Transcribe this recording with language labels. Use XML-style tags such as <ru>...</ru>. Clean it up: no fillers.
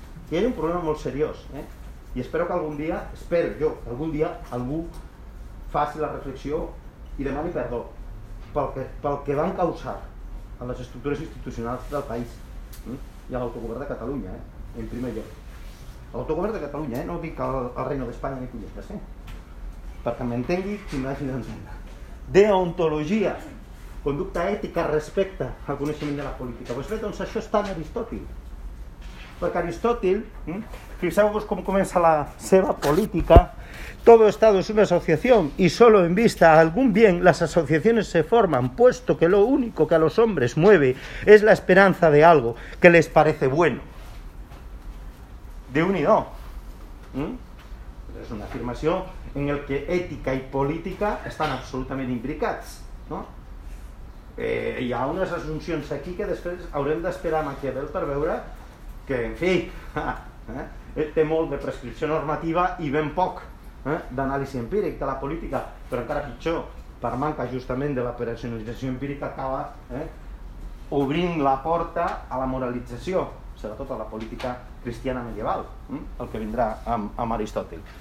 <ca>I hi ha un problema molt seriós, i espero que algun dia, espero jo, que algun dia algú faci la reflexió i demani perdó pel que van causar a les estructures institucionals del país i a l'autogovern de Catalunya, en primer lloc. L'autogovern de Catalunya, no dic al Reino d'Espanya ni collectes, perquè m'entengui qui m'hagi d'entendre. Deontologia, conducta ètica respecte al coneixement de la política. Doncs això està en Aristòtil.</ca> <es>Perquè Aristòtil, fixeu-vos com comença la seva política, todo Estado es una asociación y solo en vista a algún bien las asociaciones se forman, puesto que lo único que a los hombres mueve es la esperanza de algo que les parece bueno.</es> <ca>Déu-n'hi-do. És una afirmació en el que ètica i política estan absolutament imbricats, no? Hi ha unes assumpcions aquí que després haurem d'esperar a Maquiavel per veure que, en fi, té molt de prescripció normativa i ben poc d'anàlisi empíric de la política, però encara pitjor, per manca justament de la personalització empírica, acaba obrint la porta a la moralització, sobretot a la política cristiana medieval, el que vindrà amb Aristòtil.</ca>